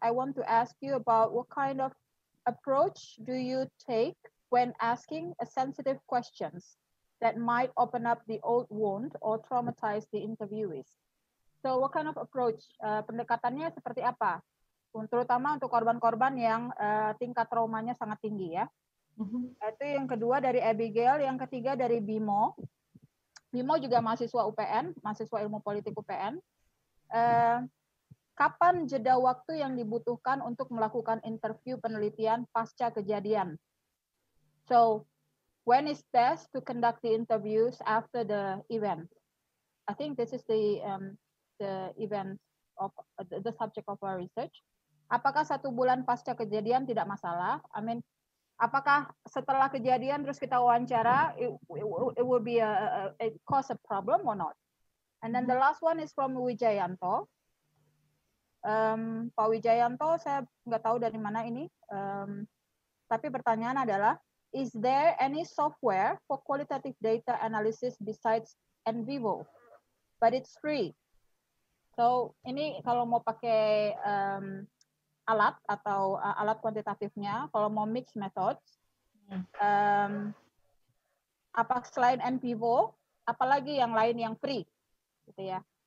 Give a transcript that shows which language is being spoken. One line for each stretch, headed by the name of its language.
English: I want to ask you about what kind of approach do you take when asking a sensitive questions that might open up the old wound or traumatize the interviewees? So what kind of approach,
Indonesian: pendekatannya seperti apa? Terutama untuk korban-korban yang tingkat traumanya sangat tinggi ya. Mm-hmm. Itu yang kedua dari Abigail, yang ketiga dari Bimo. Bimo juga mahasiswa UPN, mahasiswa ilmu politik UPN. Kapan jeda waktu yang dibutuhkan untuk melakukan interview penelitian pasca kejadian?
English: So, when is best to conduct the interviews after the event? I think this is the event of the subject of our research.
Indonesian: Apakah satu bulan pasca kejadian tidak masalah?
English: I mean,
Indonesian: apakah setelah kejadian terus kita wawancara,
English: it will be a cause a problem or not? And then the last one is from Wijayanto.
Indonesian: Pak Wijayanto, saya nggak tahu dari mana ini. Tapi pertanyaan adalah,
English: is there any software for qualitative data analysis besides NVivo? But it's free.
Indonesian: So ini kalau mau pakai alat atau alat kuantitatifnya, kalau mau mix methods, apa selain NVivo, apalagi yang lain yang free? Gitu ya.